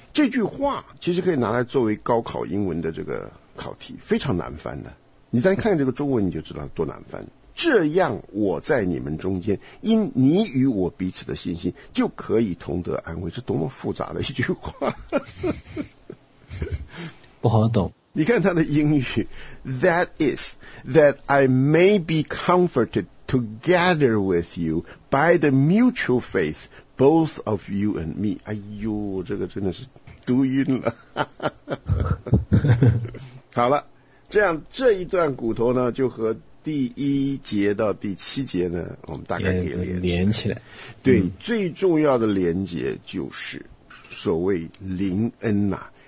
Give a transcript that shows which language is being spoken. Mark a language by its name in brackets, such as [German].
[Chinese] 这句话其实可以拿来作为高考英文的这个考题，非常难翻的。你再看这个中文，你就知道多难翻。这样我在你们中间，因你与我彼此的信心，就可以同得安慰。这多么复杂的一句话，不好懂。你看他的英语 [English] ，That is that I may be comforted together with you by the mutual faith both of you and me。 [Chinese] 哎呦，这个真的是读晕了。好了，这样这一段骨头呢，就和第一节到第七节呢，我们大概可以连起来。对，最重要的连结就是所谓灵恩呐、啊。